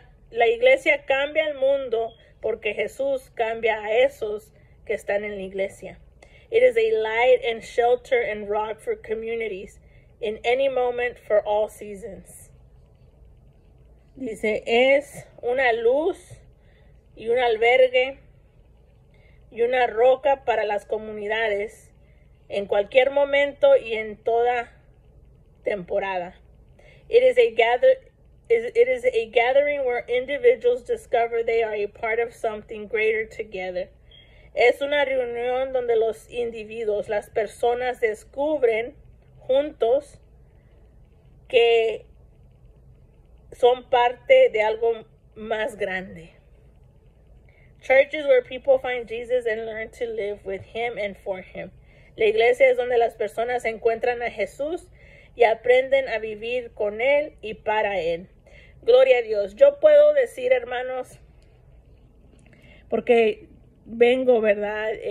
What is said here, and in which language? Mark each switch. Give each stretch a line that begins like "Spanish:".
Spanish: La iglesia cambia el mundo porque Jesús cambia a esos que están en la iglesia.
English: It is a light and shelter and rock for communities in any moment for all seasons.
Spanish: Dice, es una luz y un albergue y una roca para las comunidades en cualquier momento y en toda temporada.
English: It is a gathering where individuals discover they are a part of something greater together.
Spanish: Es una reunión donde los individuos, las personas, descubren juntos que son parte de algo más grande.
English: Church is where people find Jesus and learn to live with him and for him.
Spanish: La iglesia es donde las personas encuentran a Jesús y aprenden a vivir con él y para él. Gloria a Dios. Yo puedo decir, hermanos, porque vengo, ¿verdad?